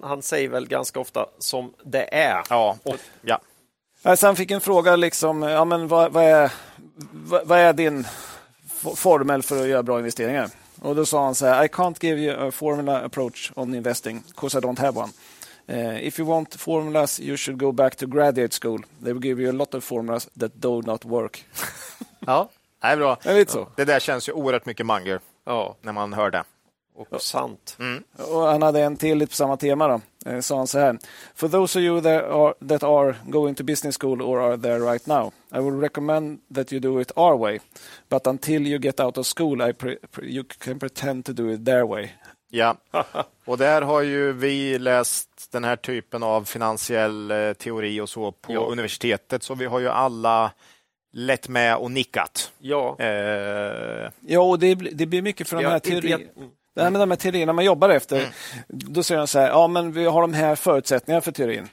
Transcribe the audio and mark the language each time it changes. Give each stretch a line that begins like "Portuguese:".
Swedish: Han säger väl ganska ofta som det är. Ja, och, ja. Sen fick en fråga liksom, ja, men vad är din formel för att göra bra investeringar? Och då sa han så här:
English: I can't give you a formula approach on investing because I don't have one. If you want formulas you should go back to graduate school. They will give you a lot of formulas that do not work.
Swedish: Ja, det är bra. Är det, så? Det där känns ju oerhört mycket Munger, ja, när man hör det. Och sant. Mm. Och han hade en till lite på samma tema då. Sa han så här:
English: For those of you that are going to business school or are there right now, I would recommend that you do it our way. But until you get out of school, you can pretend to do it their way.
Swedish: Ja. Och där har ju vi läst den här typen av finansiell teori och så på universitetet, så vi har ju alla lätt med och nickat. Ja. Ja, och det blir mycket för den här teorin. Det här med de här teorierna man jobbar efter, då säger han så här: ja, men vi har de här förutsättningarna för teorin.